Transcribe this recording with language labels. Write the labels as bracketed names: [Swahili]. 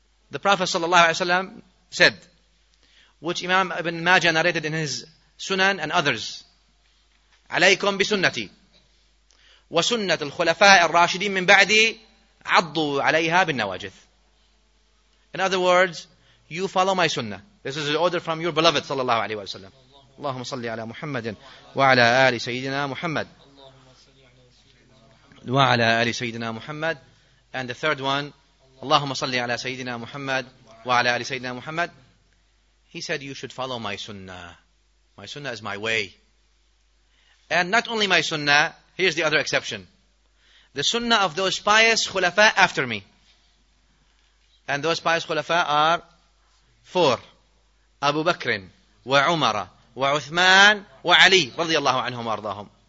[English] The Prophet ﷺ said, which Imam Ibn Majah narrated in his Sunan and others, [Arabic] عليكم بسنتي وسنة الخلفاء الراشدين من بعدي عضوا عليها بالنواجذ. [English] In other words, you follow my Sunnah. This is an order from your beloved ﷺ. [Arabic] اللهم صل على محمد وعلى آل سيدنا محمد وعلى آل سيدنا محمد. [English] And the third one, [Arabic] اللهم صل على سيدنا محمد وعلى آل سيدنا محمد. [English] He said, you should follow my Sunnah. My Sunnah is my way. And not only my Sunnah, here's the other exception. The Sunnah of those pious khulafa after me. And those pious khulafa are four. Abu Bakr wa Umar wa Uthman wa Ali radiyallahu anhum ardahum.